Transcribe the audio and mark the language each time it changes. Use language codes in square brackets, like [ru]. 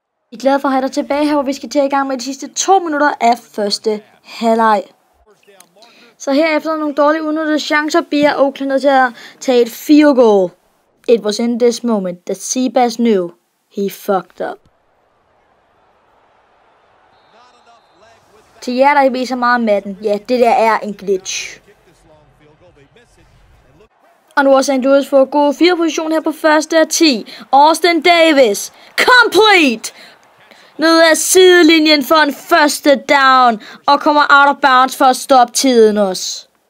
[da] Vi er glade for at have dig tilbage her, hvor vi skal tage i gang med de sidste 2 minutter af første halvleg. Så herefter nogle dårlige udnyttede chancer, bliver Oakland til at tage et field goal. [en] It was in this moment that Seabass knew he fucked up. [da] Til jer, der viser meget med den. Ja, det der er en glitch. Og nu er St. Louis for god 4. position her på 1. og 10. Austin Davis. [en] Complete! [da] Ned af sidelinjen for en første down. Og kommer [en] out of bounds [da] for at stoppe tiden også.